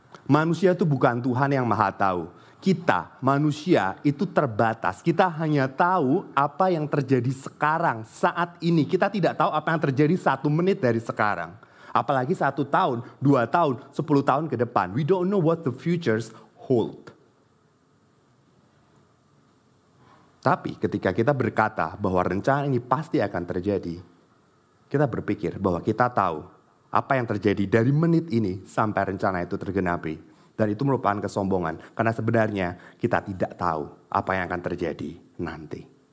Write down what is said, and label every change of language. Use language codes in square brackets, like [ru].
[id] Manusia itu bukan Tuhan yang maha tahu. Kita, manusia itu terbatas. Kita hanya tahu apa yang terjadi sekarang, saat ini. Kita tidak tahu apa yang terjadi 1 menit dari sekarang. Apalagi 1 tahun, 2 tahun, 10 tahun ke depan. [en] We don't know what the futures hold. [id] Tapi ketika kita berkata bahwa rencana ini pasti akan terjadi, kita berpikir bahwa kita tahu apa yang terjadi dari menit ini sampai rencana itu tergenapi. Dan itu merupakan kesombongan karena sebenarnya kita tidak tahu apa yang akan terjadi nanti.